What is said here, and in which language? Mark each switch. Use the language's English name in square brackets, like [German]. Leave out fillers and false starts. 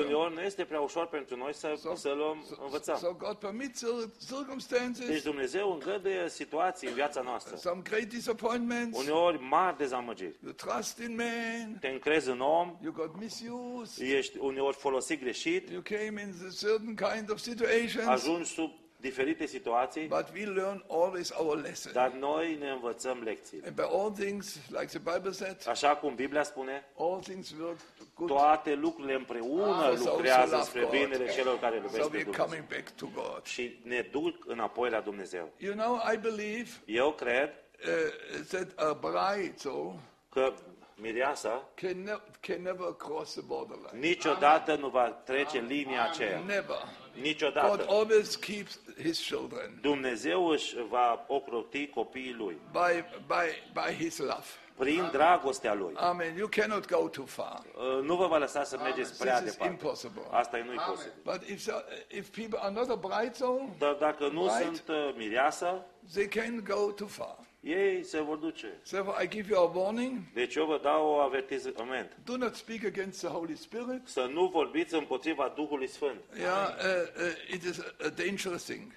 [Romanian] Și uneori nu este prea ușor pentru noi să luăm învățăm. [English] So God permits circumstances. [Romanian] Deci Dumnezeu îngăduie situații în viața noastră. [English] Some great disappointments. [Romanian] Uneori mari dezamăgiri. [English] You trust in man. [Romanian] Te încrezi în om. [English] You got misused. [Romanian] Ești uneori folosit greșit. [English] You came in a certain kind of situations. [Romanian] Ajungi sub diferite situații. [English] But we learn always our lesson. [Romanian] Dar noi ne învățăm lecții. [English] And by all things, like the Bible said, [Romanian] așa cum Biblia spune, [English] all things work good. [Romanian] Toate lucrurile împreună lucrează spre binele celor care iubesc [English] so [Romanian] pe Dumnezeu. [English] Coming back to God. [Romanian] Și ne duc înapoi la Dumnezeu. [English] You know, I believe, [Romanian] eu cred [English] that a bride, so, [Romanian] că mireasa [English] can never cross the borderline. [Romanian] Niciodată nu va trece linia aceea. [English] Never. [Romanian] Niciodată. [English] God always keeps his children. [Romanian] Dumnezeu își va ocroti copiii lui. [English] By his love. [Romanian] Prin dragostea lui. [English] Amen. You cannot go too far. [Romanian] Nu vă va lăsa să mergeți prea departe. [English] This is impossible. [Romanian] Asta nu-i posibil. [English] But if people are not a bride zone, [Romanian] dar dacă nu sunt mireasă, [English] they can go too far. [Romanian] Ei se vor duce. [English] So I give you a warning. [Romanian] Deci eu vă dau o avertizament. [English] Do not speak against the Holy Spirit. [Romanian] Să nu vorbiți împotriva Duhului Sfânt. [English] Yeah, it is a dangerous thing.